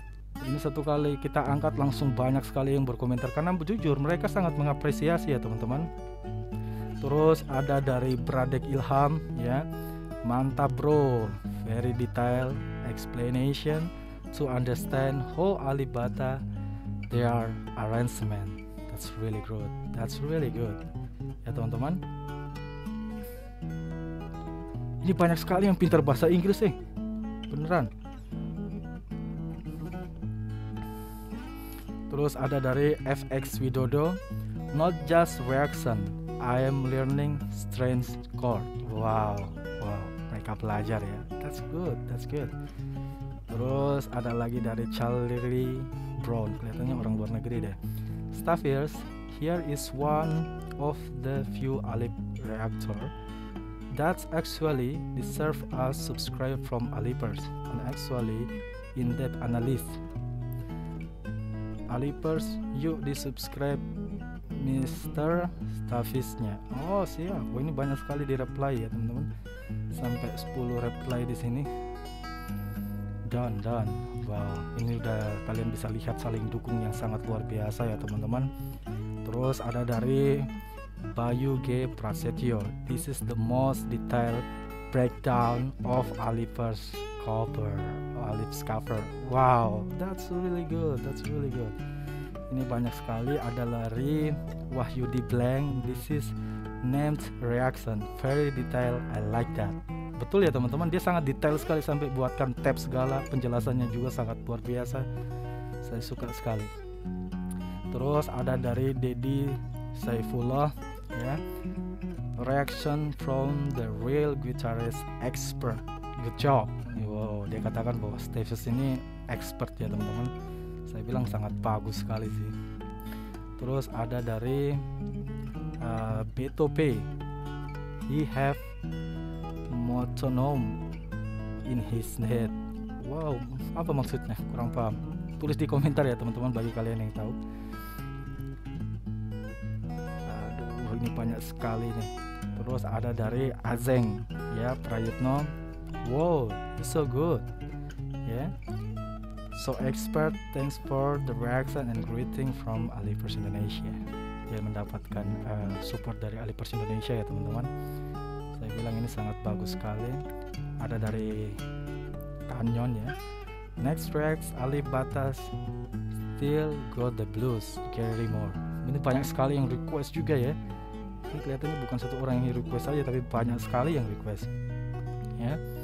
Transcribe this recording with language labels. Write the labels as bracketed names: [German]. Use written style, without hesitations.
[Indonesian] Ini satu kali kita angkat langsung banyak sekali yang berkomentar, karena jujur mereka sangat mengapresiasi ya teman-teman. Terus ada dari [English] Bradek Ilham ya, mantap bro, very detailed explanation to understand how Alibata their arrangement, that's really good, that's really good [Indonesian] ya teman-teman. Ini banyak sekali yang pintar bahasa Inggris sih, beneran. Terus ada dari [English] FX Widodo, not just reaction, I am learning strange chord. Wow, wow, [Indonesian] mereka belajar ya. [English] That's good, that's good. [Indonesian] Terus ada lagi dari Charlie Brown, kelihatannya orang luar negeri deh. [English] Stafis, here is one of the few Alib reactor that actually deserve a subscribe from Alipers and actually in-depth analysis. [Indonesian] Alipers, you disubscribe Mr. Stafisnya. Oh siap, ini banyak sekali di reply ya teman-teman. Sampai 10 reply di sini. Dan, wow, ini udah kalian bisa lihat saling dukung yang sangat luar biasa ya teman-teman. Terus ada dari Bayu G. [English] Prasetyo, this is the most detailed breakdown of Alif's cover. Alif's cover, wow, that's really good. [Indonesian] Ini banyak sekali. Ada dari [English] Wahyudi Blank, this is named reaction, very detailed, I like that. [Indonesian] Betul ya teman-teman, dia sangat detail sekali sampai buatkan tab segala, penjelasannya juga sangat luar biasa, saya suka sekali. Terus ada dari [English] Dedi Saifullah ya, reaction from the real guitarist expert, good job. [Indonesian] Wow, dia katakan bahwa Stevius ini expert ya teman-teman, saya bilang sangat bagus sekali sih. Terus ada dari [English] Beethoven, he have metronome in his head. [Indonesian] Wow, apa maksudnya? Kurang paham. Tulis di komentar ya teman-teman bagi kalian yang tahu. Aduh, ini banyak sekali nih. Terus ada dari Azeng, ya Prayutno. [English] Wow, so good. Yeah. So expert, thanks for the reaction and greeting from Alipers Indonesia. [Indonesian] Dia mendapatkan support dari Alipers Indonesia ya teman-teman. Saya bilang ini sangat bagus sekali. Ada dari Canyon ya. [English] Next tracks Alif Batas, Still Got the Blues, Gary Moore. [Indonesian] Ini banyak sekali yang request juga ya. Ini kelihatannya bukan satu orang yang request saja, tapi banyak sekali yang request. Ya.